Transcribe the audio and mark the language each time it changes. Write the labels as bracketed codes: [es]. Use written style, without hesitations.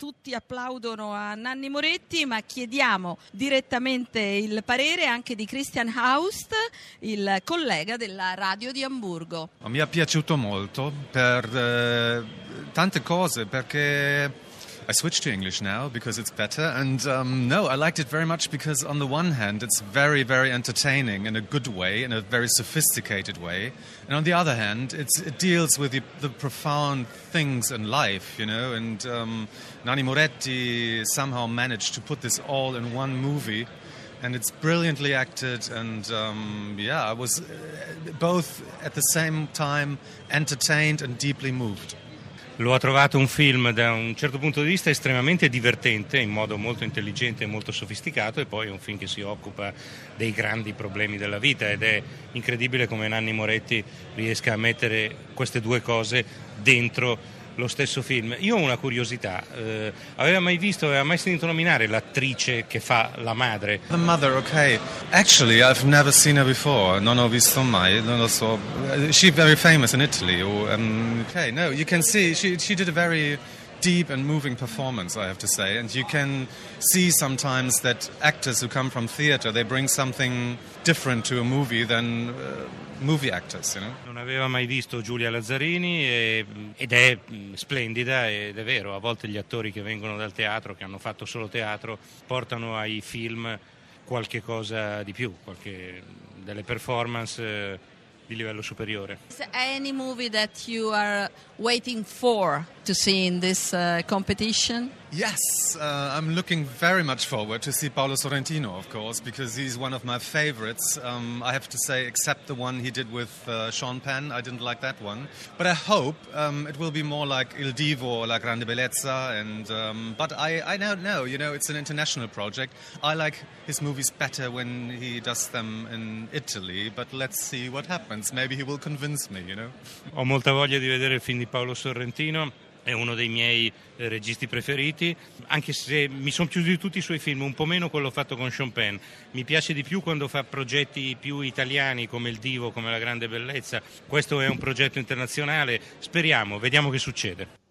[it] Applaudono a Nanni Moretti, ma chiediamo direttamente il parere anche di Christian Haust, il collega della Radio di Amburgo. Mi è piaciuto molto per tante cose, perché [en] I switched to English now because it's better, and no, I liked it very much because on the one hand it's very, very entertaining in a good way, in a very sophisticated way, and on the other hand it deals with the profound things in life, you know, and Nanni Moretti somehow managed to put this all in one movie, and it's brilliantly acted, and I was both at the same time entertained and deeply moved. [it] Lo ha trovato un film da un certo punto di vista estremamente divertente, in modo molto intelligente e molto sofisticato, e poi è un film che si occupa dei grandi problemi della vita, ed è incredibile come Nanni Moretti riesca a mettere queste due cose dentro lo stesso film. Io ho una curiosità, aveva mai sentito nominare l'attrice che fa la madre? [en] The mother, okay. Actually, I've never seen her before. [it] Non ho visto mai, non lo so. [en] She's very famous in Italy. Okay, no, you can see, she did a very deep and moving performance, I have to say. And you can see sometimes that actors who come from theater, they bring something different to a movie than movie actors, you know? [it] Non aveva mai visto Giulia Lazzarini, ed è splendida, ed è vero, a volte gli attori che vengono dal teatro, che hanno fatto solo teatro, portano ai film qualche cosa di più, delle performance di livello superiore. [en] Is there any movie that you are waiting for to see in this competition? Yes, I'm looking very much forward to see Paolo Sorrentino, of course, because he's one of my favorites. I have to say, except the one he did with Sean Penn, I didn't like that one. But I hope it will be more like Il Divo or La Grande Bellezza. But I don't know, you know, it's an international project. I like his movies better when he does them in Italy, but let's see what happens. Maybe he will convince me, you know. [it] Ho molta voglia di vedere il film di Paolo Sorrentino. È uno dei miei registi preferiti, anche se mi sono piaciuti tutti i suoi film, un po' meno quello fatto con Sean Penn. Mi piace di più quando fa progetti più italiani, come Il Divo, come La Grande Bellezza. Questo è un progetto internazionale, speriamo, vediamo che succede.